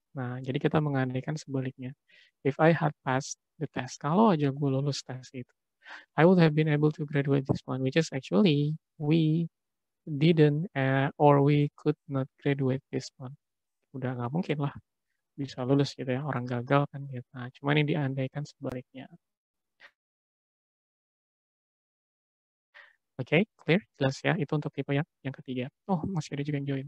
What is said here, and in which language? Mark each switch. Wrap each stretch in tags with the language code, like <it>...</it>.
<id>Nah, jadi kita mengandaikan sebaliknya.</id> <en>If I had passed the test,</en> <id>kalau aja gue lulus tes itu,</id> <en>I would have been able to graduate this month, which is actually we didn't or we could not graduate this month.</en> <id>Udah nggak mungkin lah bisa lulus gitu ya, orang gagal kan gitu. Nah, cuman ini diandaikan sebaliknya. Oke, okay, clear, jelas ya. Itu untuk tipe yang ketiga. Oh, masih ada juga yang join.</id>